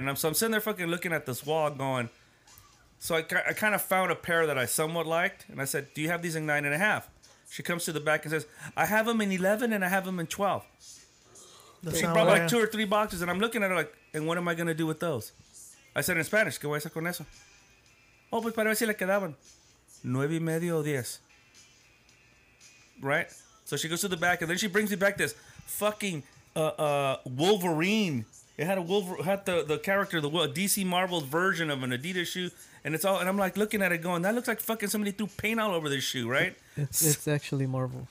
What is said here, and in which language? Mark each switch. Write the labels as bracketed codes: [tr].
[en] And I'm sitting there fucking looking at this wall going, so I kind of found a pair that I somewhat liked, and I said, do you have these in 9.5? She comes to the back and says, I have them in 11 and I have them in 12. She brought like 2 or 3 boxes, and I'm looking at her like, and what am I going to do with those? I said in Spanish, [es] ¿qué voy a hacer con eso? Oh, pues para ver si le quedaban 9.5 or 10. [en] Right? So she goes to the back, and then she brings me back this fucking Wolverine. It had the character, the DC Marvel version of an Adidas shoe, and it's all. And I'm like looking at it, going, that looks like fucking somebody threw paint all over this shoe, right? It's actually Marvel.